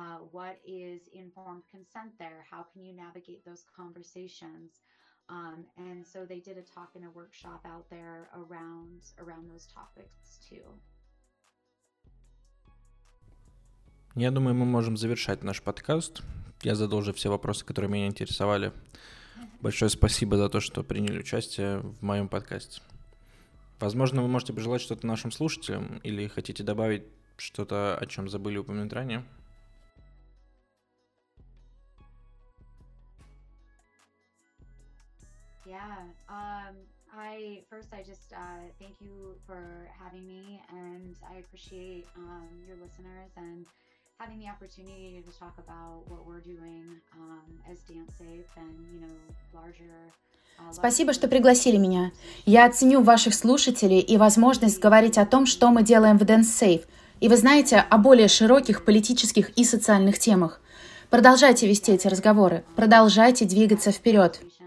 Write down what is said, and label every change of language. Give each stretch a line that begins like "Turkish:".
English: What is informed consent there? How can you navigate those conversations? And so they did a talk and a workshop out there around those topics too.
Russian: Я думаю, мы можем завершать наш подкаст. Я задал уже все вопросы, которые меня интересовали. Большое спасибо за то, что приняли участие в моем подкасте. Возможно, вы можете пожелать что-то нашим слушателям или хотите добавить что-то, о чем забыли упомянуть ранее.
English: Having the opportunity to talk about what we're doing as DanceSafe and, larger...
Russian: Спасибо, что пригласили меня. Я оценю ваших слушателей и возможность говорить о том, что мы делаем в DanceSafe, и вы знаете о более широких политических и социальных темах. Продолжайте вести эти разговоры, продолжайте двигаться вперед.